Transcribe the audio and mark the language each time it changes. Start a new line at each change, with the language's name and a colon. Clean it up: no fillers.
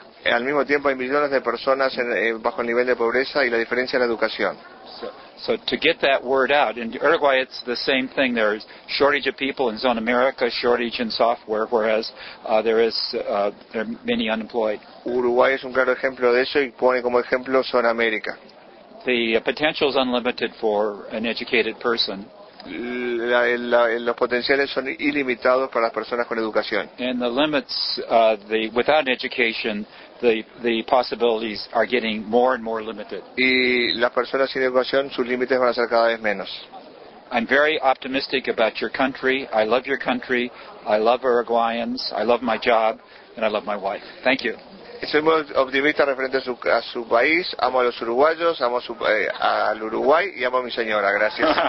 Spanish: Al mismo tiempo hay millones de personas bajo el nivel de pobreza y la diferencia es la educación.
English: So to get that word out, in Uruguay it's the same thing. There's shortage of people in Zone America, shortage in software, whereas there are many unemployed.
Spanish: Uruguay es un claro ejemplo de eso y pone como ejemplo Zona América.
English: The potential is unlimited for an educated person.
Spanish: los potenciales son ilimitados para las personas con educación.
English: And the limits, without education, the possibilities are getting more and more limited.
Spanish: Y las personas sin educación, sus límites van a ser cada vez menos.
English: I'm very optimistic about your country. I love your country. I love Uruguayans. I love my job, and I love my wife. Thank you.
Spanish: Soy muy optimista referente a su país. Amo a los uruguayos, amo al Uruguay y amo a mi señora. Gracias.